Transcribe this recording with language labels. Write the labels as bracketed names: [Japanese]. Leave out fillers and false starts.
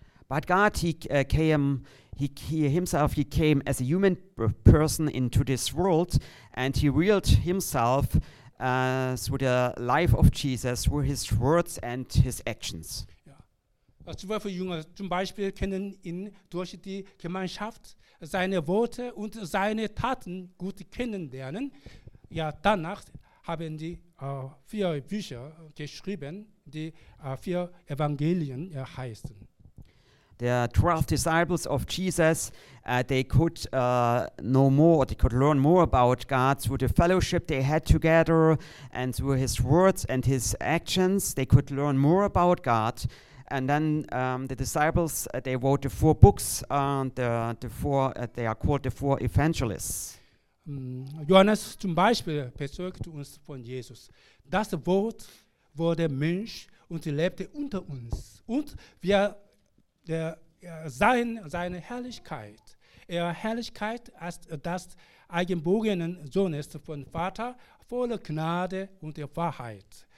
[English] But God, he came as a human person into this world, and he revealed himself through the life of Jesus, through his words and his actions. [German] Ja. Zwölf Jünger zum Beispiel kennen ihn durch die Gemeinschaft, seine Worte und seine Taten gut kennenlernen. Ja, danach haben die vier Bücher geschrieben, die vier Evangelien heißen. [English] the 12 disciples of Jesus, they could know more, they could learn more about God through the fellowship they had together and through his words and his actions. They could learn more about God. And then the disciples, they wrote the four books, they are called the four evangelists. [German] Johannes zum Beispiel bezeugt uns von Jesus. Das Wort wurde Mensch und lebte unter uns. Und wir seine Herrlichkeit, ihre Herrlichkeit als das eigenbogenen Sohnes von Vater, voller Gnade und der Wahrheit.